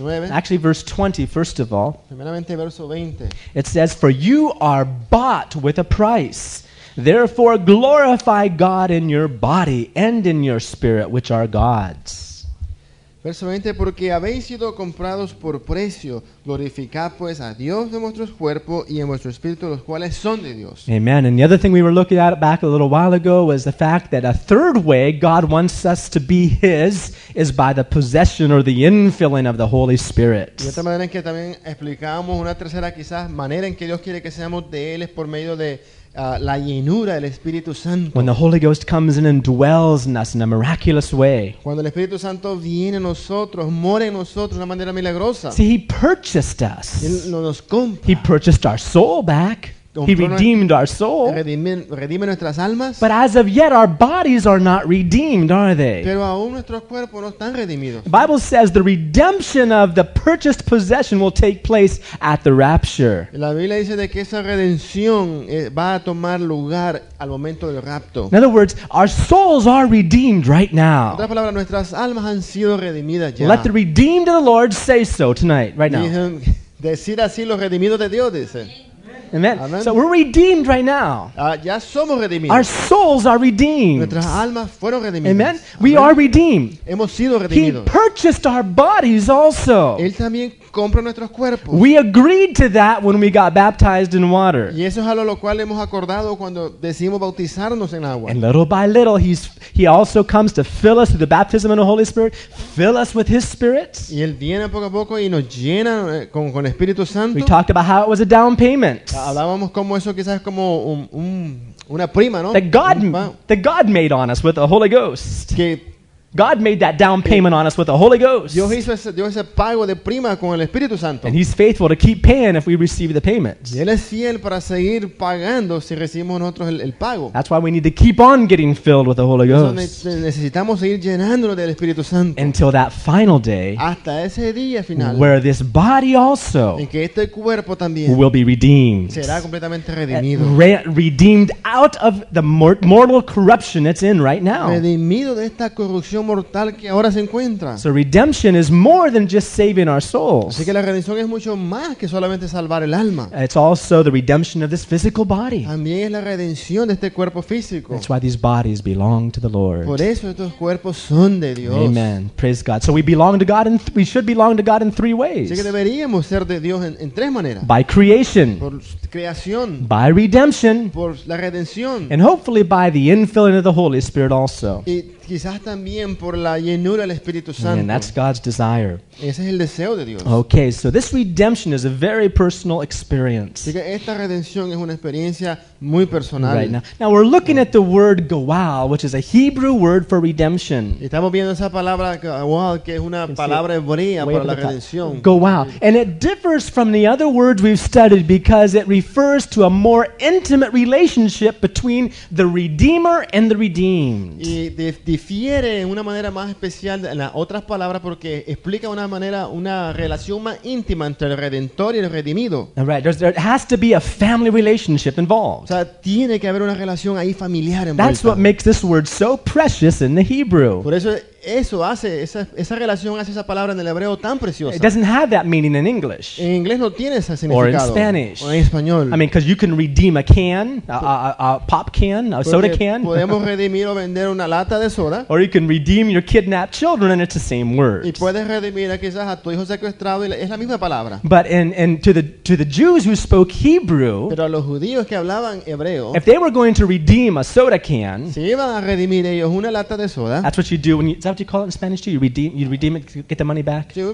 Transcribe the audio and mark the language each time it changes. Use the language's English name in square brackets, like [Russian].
[English] Actually, verse 20, first of all. It says, "For you are bought with a price. Therefore glorify God in your body and in your spirit, which are God's." [Spanish] Verso 20, porque habéis sido comprados por precio. Glorificad pues a Dios en vuestro cuerpo y en vuestro espíritu, los cuales son de Dios. [English] Amen. And the other thing we were looking at back a little while ago was the fact that a third way God wants us to be His is by the possession or the infilling of the Holy Spirit. [Spanish] Y otra manera en que también explicamos, una tercera quizás, manera en que Dios quiere que seamos de Él es por medio de la llenura del Espíritu Santo. [English] When the Holy Ghost comes in and dwells in us in a miraculous way. [Spanish] Cuando el Espíritu Santo viene a nosotros, mora en nosotros de una manera milagrosa. [English] See, He purchased us. [Spanish] Él nos compra. [English] He purchased our soul back. He redeemed our soul. [Spanish] Redime nuestras almas. [English] But as of yet, our bodies are not redeemed, are they? [Spanish] Pero aún nuestros cuerpos no están redimidos. [English] The Bible says the redemption of the purchased possession will take place at the rapture. [Spanish] La Biblia dice de que esa redención va a tomar lugar al momento del rapto. [English] In other words, our souls are redeemed right now. [Spanish] En otras palabras, nuestras almas han sido redimidas ya. [English] Let the redeemed of the Lord say so tonight, right now. [Spanish] Decir así los redimidos de Dios, dice. [English] Amen. Amen. So we're redeemed right now. [Spanish] Ya somos redimidos. [English] Our souls are redeemed. [Spanish] Nuestras almas fueron redimidas. [English] Amen. We Amen. Are redeemed. [Spanish] Hemos sido redimidos. [English] He purchased our bodies also. [Spanish] Él también compra nuestros cuerpos. [English] We agreed to that when we got baptized in water. [Spanish] Y eso es algo lo cual hemos acordado cuando decidimos bautizarnos en agua. [English] And little by little, he also comes to fill us with the baptism in the Holy Spirit, fill us with His Spirit. [Spanish] Y él viene poco a poco y nos llena con Espíritu Santo. [English] We talked about how it was a down payment. [Spanish] Hablábamos como eso, quizás como una prima, ¿no? [English] That God made on us with the Holy Ghost. [Spanish] Que [English] God made that down payment on us with the Holy Ghost. [Spanish] Dios hizo ese pago de prima con el Espíritu Santo. [English] And He's faithful to keep paying if we receive the payment. [Spanish] Y Él es fiel para seguir pagando si recibimos nosotros el pago. [English] That's why we need to keep on getting filled with the Holy Ghost. [Spanish] Necesitamos seguir llenándonos del Espíritu Santo. [English] Until that final day. [Spanish] Hasta ese día final. [English] Where this body also. [Spanish] En que este cuerpo también. [English] Will be redeemed. [Spanish] Será completamente redimido. [English] Redeemed out of the mortal corruption it's in right now. [Spanish] Redimido de esta corrupción mortal que ahora se encuentra. [English] So redemption is more than just saving our souls. [Spanish] Así que la redención es mucho más que solamente salvar el alma. [English] It's also the redemption of this physical body. [Spanish] También es la redención de este cuerpo físico. [English] That's why these bodies belong to the Lord. [Spanish] Por eso estos cuerpos son de Dios. [English] Amen. Praise God. So we belong to God, and we should belong to God in three ways. [Spanish] Así que deberíamos ser de Dios en tres maneras. [English] By creation. [Spanish] Por creación. [English] By redemption. [Spanish] Por la redención. [English] And hopefully by the infilling of the Holy Spirit also. [Spanish] Y quizás también por la llenura del Espíritu Santo. [English] And that's God's desire. [Spanish] Ese es el deseo de Dios. [English] Okay, so this redemption is a very personal experience. [Spanish] Así que esta redención es una experiencia muy personal. [English] Right now we're looking at the word goal, which is a Hebrew word for redemption. [Spanish] Estamos viendo esa palabra goal, que es una palabra hebrea para la redención. [English] Goal, and it differs from the other words we've studied because it refers to a more intimate relationship between the redeemer and the redeemed. [Spanish] Y difiere en una manera más especial de las otras palabras porque explica una manera una relación más íntima entre el redentor y el redimido. [English] All right, there has to be a family relationship involved. [Spanish] O sea, tiene que haber una relación ahí familiar involucrada. [English] That's what makes this word so precious in the Hebrew. [Spanish] Por eso hace esa relación hace esa palabra en el hebreo tan preciosa. [English] It doesn't have that meaning in English. [Spanish] En inglés no tiene ese significado. [English] Or in Spanish. [Spanish] O en español. [English] I mean, because you can redeem a can, a pop can, a soda can. [Spanish] Podemos redimir o vender una lata de soda. [English] Or you can redeem your kidnapped children, and it's the same word. [Spanish] Y puedes redimir quizás a tu hijo secuestrado y es la misma palabra. [English] But to the Jews who spoke Hebrew. [Spanish] Pero a los judíos que hablaban hebreo. [English] If they were going to redeem a soda can. [Spanish] Si iban a redimir ellos una lata de soda. [English] That's what you do when you. Is that what you call it in Spanish too? You redeem it, get the money back.